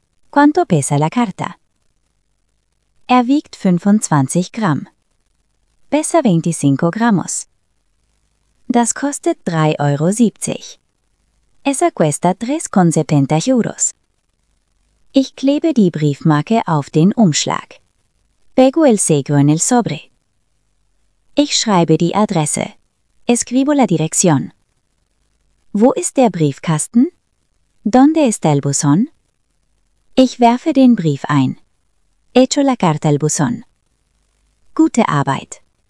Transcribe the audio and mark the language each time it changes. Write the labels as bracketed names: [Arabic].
[Spanish] ¿Cuánto pesa la carta? [German] Er wiegt 25 Gramm. [Spanish] Pesa 25 gramos. [German] Das kostet 3,70 Euro. [Spanish] Esa cuesta 3,70 euros. [German] Ich klebe die Briefmarke auf den Umschlag. [Spanish] Pego el sello en el sobre. [German] Ich schreibe die Adresse. [Spanish] Escribo la dirección. [German] Wo ist der Briefkasten? [Spanish] ¿Dónde está el buzón? [German] Ich werfe den Brief ein. [Spanish] Echo la carta al buzón. [German] Gute Arbeit.